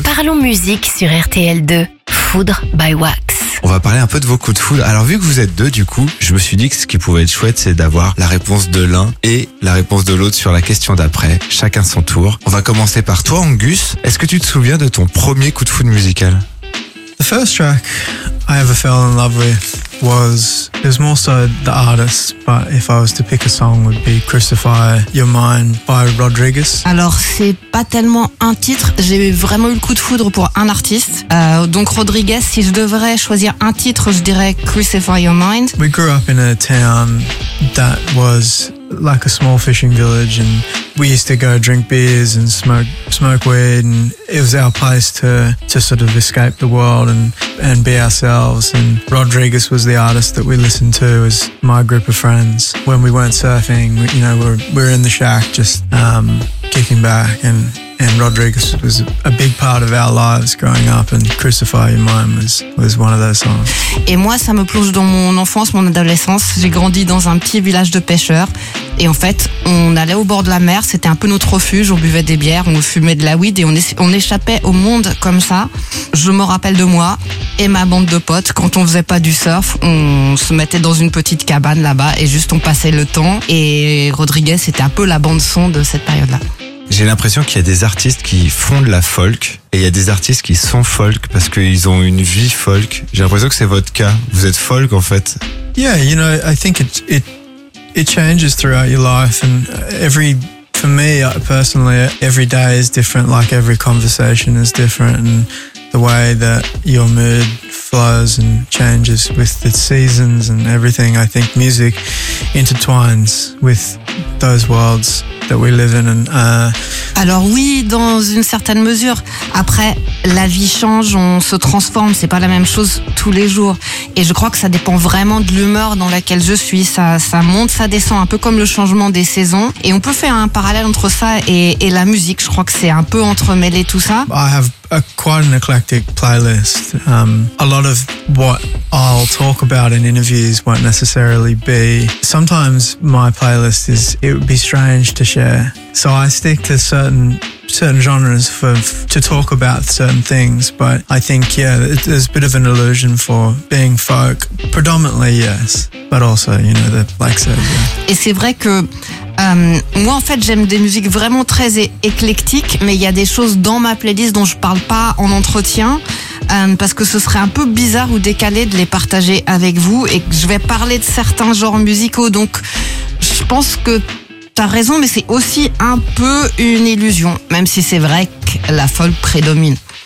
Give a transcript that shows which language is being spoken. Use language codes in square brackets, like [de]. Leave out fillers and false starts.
[fr] Parlons musique sur RTL2. Foudre by Wax. On va parler un peu de vos coups de foudre. Alors vu que vous êtes deux, du coup, je me suis dit que ce qui pouvait être chouette, c'est d'avoir la réponse de l'un et la réponse de l'autre sur la question d'après. Chacun son tour. On va commencer par toi, Angus. Est-ce que tu te souviens de ton premier coup de foudre musical? [en] The first track I ever fell in love with was, it was more so the artist, but if I was to pick a song, it would be Crucify Your Mind by Rodriguez. [fr] Alors, c'est pas tellement un titre, j'ai vraiment eu le coup de foudre pour un artiste. Donc Rodriguez, si je devrais choisir un titre, je dirais Crucify Your Mind. [en] We grew up in a town that was like a small fishing village, and we used to go drink beers and smoke weed, and it was our place to sort of escape the world and be ourselves. And Rodriguez was the artist that we listened to as my group of friends when we weren't surfing. We're in the shack just kicking back, and Rodriguez was a big part of our lives growing up, and Crucify Your Mind was one of those songs. [fr] Et moi, ça me plonge dans mon enfance, mon adolescence. J'ai grandi dans un petit village de pêcheurs. Et en fait, on allait au bord de la mer, c'était un peu notre refuge, on buvait des bières, on fumait de la weed et on échappait au monde comme ça. Je me rappelle de moi et ma bande de potes, quand on faisait pas du surf, on se mettait dans une petite cabane là-bas et juste on passait le temps. Et Rodriguez, c'était un peu la bande-son de cette période-là. J'ai l'impression qu'il y a des artistes qui font de la folk et il y a des artistes qui sont folk parce qu'ils ont une vie folk. J'ai l'impression que c'est votre cas, vous êtes folk en fait. [en] Yeah, you know, I think it changes throughout your life, and for me personally every day is different, like every conversation is different, and the way that your mood flows and changes with the seasons and everything. I think music intertwines with those worlds that we live in. [fr] Alors oui, dans une certaine mesure. Après, la vie change, on se transforme, c'est pas la même chose tous les jours. Et je crois que ça dépend vraiment de l'humeur dans laquelle je suis. Ça monte, ça descend, un peu comme le changement des saisons. Et on peut faire un parallèle entre ça et la musique. Je crois que c'est un peu entremêlé tout ça. [en] I have quite an eclectic playlist. A lot of what I'll talk about in interviews won't necessarily be. Sometimes my playlist is, it would be strange to share. So I stick to certain genres to talk about certain things, but I think, yeah, there's a bit of an illusion for being folk. Predominantly, yes, but also, you know, the Black Sabbath. [fr] Et c'est vrai que moi, en fait, j'aime des musiques vraiment très éclectiques, mais il y a des choses dans ma playlist dont je parle pas en entretien. Parce que ce serait un peu bizarre ou décalé de les partager avec vous, et que je vais parler de certains genres musicaux, donc je pense que t'as raison, mais c'est aussi un peu une illusion, même si c'est vrai que la folk prédomine.